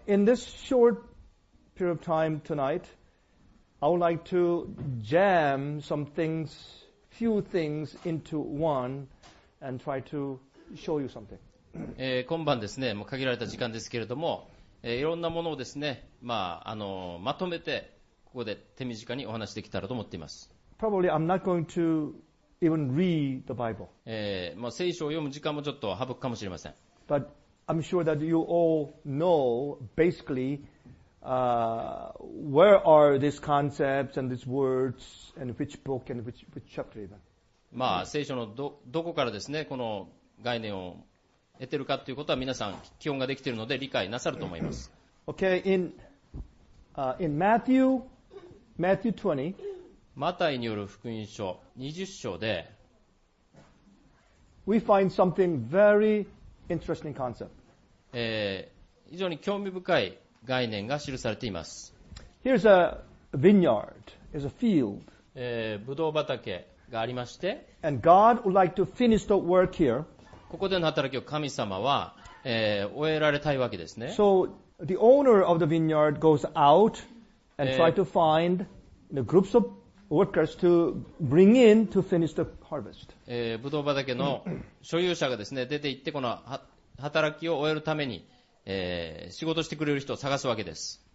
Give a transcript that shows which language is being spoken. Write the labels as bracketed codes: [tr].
[en] In this short period of time tonight, I would like to jam some things, few things into one and try to show you something. [ja] 今晩ですね、もう限られた時間ですけれども、いろんなものをですね、まあ、まとめてここで手短にお話できたらと思っています。 [en] Probably I'm not going to even read the Bible. [ja] 聖書を読む時間もちょっと省くかもしれません。 [en] But I'm sure that you all know basically, where are these concepts and these words and which book and which chapter even. [ja] まあ、聖書の どこからですね、この概念を得てるかということは皆さん基本ができているので理解なさると思います。 [en] Okay, in Matthew 20, [ja] マタイによる福音書20章で、 [en] We find something very interesting concept. [ja] 非常に興味深い概念が記されています。 [en] Here's a vineyard, is a field. [ja] ブドウ畑がありまして、 [en] And God would like to finish the work here. [ja] ここでの働きを神様は、終えられたいわけですね。 [en] So the owner of the vineyard goes out and try to find the groups of workers to bring in to finish the harvest. [ja] ブドウ畑の所有者がですね、出て行ってこの働きを終えるために、仕事してくれる人を探すわけです。